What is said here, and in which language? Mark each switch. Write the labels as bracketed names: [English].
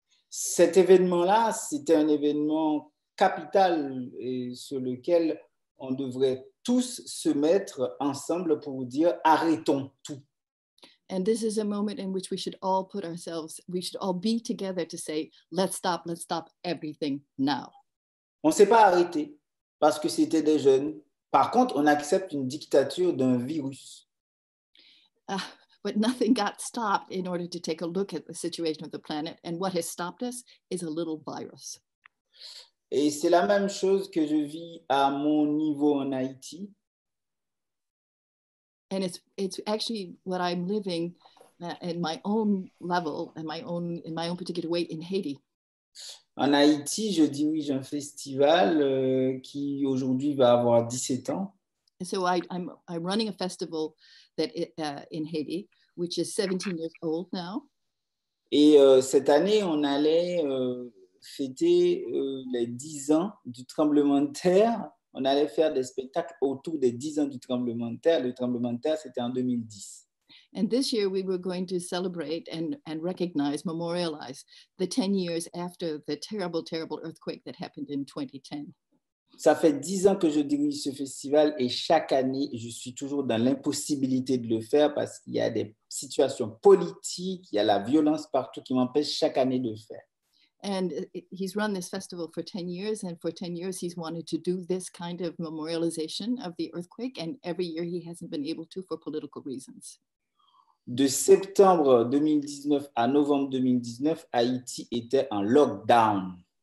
[French] Cet événement-là, c'était un événement capital et sur lequel on devrait tous se mettre ensemble pour dire arrêtons tout. [English] And this is a moment in which we should all be together to say let's stop everything now. [French] On ne s'est pas arrêté parce que c'était des jeunes. Par contre, on accepte une dictature d'un virus. [English] but nothing got stopped in order to take a look at the situation of the planet. And what has stopped us is a little virus. [French] Et c'est la même chose que je vis à mon niveau en Haïti. [English] And it's actually what I'm living in my own level and my own in my own particular way in Haiti. [French] En Haïti, je dirige un festival qui aujourd'hui va avoir 17 ans. [English] And so I'm running a festival that in Haiti, which is 17 years old now. [French] Et cette année, on allait fêter les 10 ans du tremblement de terre. On allait faire des spectacles autour des 10 ans du tremblement de terre. Le tremblement de terre, c'était en 2010. [English] And this year, we were going to celebrate and recognize, memorialize the 10 years after the terrible, terrible earthquake that happened in 2010. [French] Ça fait 10 ans que je dirige ce festival et chaque année, je suis toujours dans l'impossibilité de le faire parce qu'il y a des situations politiques, il y a la violence partout qui m'empêche chaque année de le faire. [English] And he's run this festival for 10 years and for 10 years he's wanted to do this kind of memorialization of the earthquake and every year he hasn't been able to for political reasons. [French] De septembre 2019 à novembre 2019, Haïti était en lockdown.